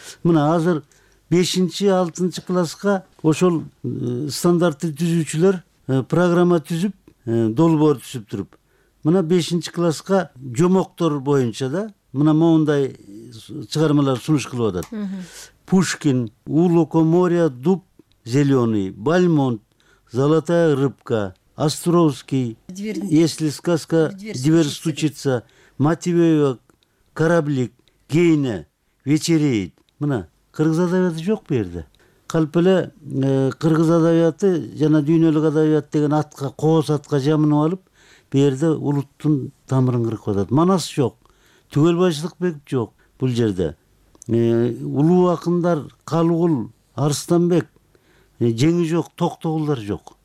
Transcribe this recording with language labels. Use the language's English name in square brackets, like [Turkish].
[Kyrgyz] Мына азыр 5-6 класска ошол стандартты түзүүчүлөр программа түзүп долбоор түзүп туруп, мына 5-класска жомоктор боюнча да мына моундай чыгармалар сунуш кылып атат. [Russian] Пушкин, У Лукоморья дуб зеленый, Бальмонт, Золотая рыбка, Островский, Если сказка дверь стучится, Мативеева кораблик, Гейне вечереет. [Kyrgyz] Мына кыргыз адабияты жок бул жерде. Калп эле кыргыз адабияты жана дүйнөлүк адабият деген атка, кооз атка жамынып алып, бул жерде улуттун тамырын кырып атат. Манас жок, Түгөлбай Жылыкбеков жок бул жерде. Улуу акындар Калыгул, Арстанбек, жеңи жок, Токтогулдар жок.